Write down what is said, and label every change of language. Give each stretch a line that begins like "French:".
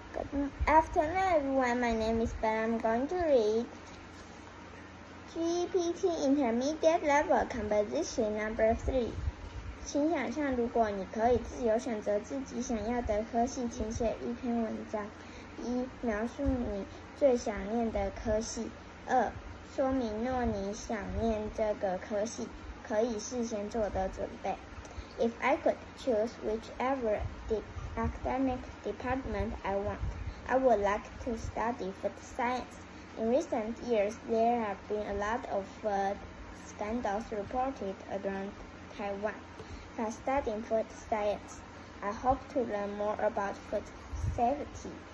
English: Good afternoon, everyone. My name is Ben. I'm going to read GPT Intermediate Level Composition No. 3.
Chinese: 请想象如果你可以自由选择自己想要的科系，请写一篇文章。一、描述你最想念的科系。二、说明若你想念这个科系，可以事先做的准备。
English: If I could choose whichever academic department I want, I would like to study food science. In recent years, there have been a lot of food scandals reported around Taiwan. By studying food science, I hope to learn more about food safety.